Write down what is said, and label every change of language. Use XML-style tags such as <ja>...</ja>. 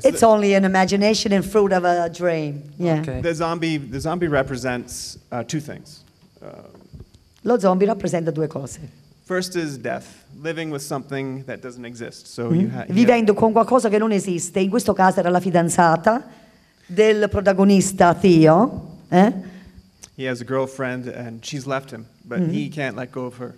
<en>So it's only an imagination and fruit of a dream, yeah. Okay. The zombie represents two things.</en> <it>Lo zombie rappresenta due cose.</it> <en>First is death, living with something that doesn't exist. So you</en> <it>vivendo con qualcosa che non esiste. In questo caso era la fidanzata del protagonista Theo.</it> <en>He has a girlfriend and she's left him, but he can't let go of her.</en>